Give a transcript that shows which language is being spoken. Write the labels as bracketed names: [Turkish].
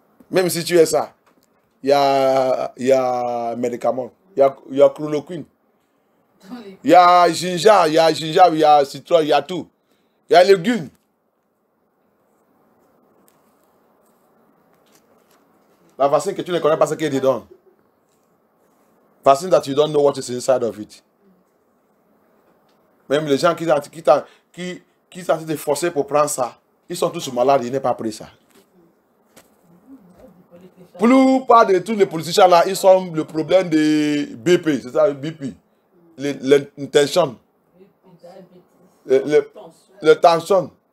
[French] Même si tu as ça, il y a médicament, il y a chloroquine, il y a ginger, il y a citron, il y a tout. Il y a légumes. La vaccine que tu ne connais pas ce qu'il y a dedans. [English] Vaccine that you don't know what is inside of it. [French] Même les gens qui sont en train de forcer pour prendre ça, ils sont tous malades, ils n'ont pas pris ça. Plus pas de tous les politiciens là, ils sont le problème de BP, c'est ça, BP. L'intention. Le tension.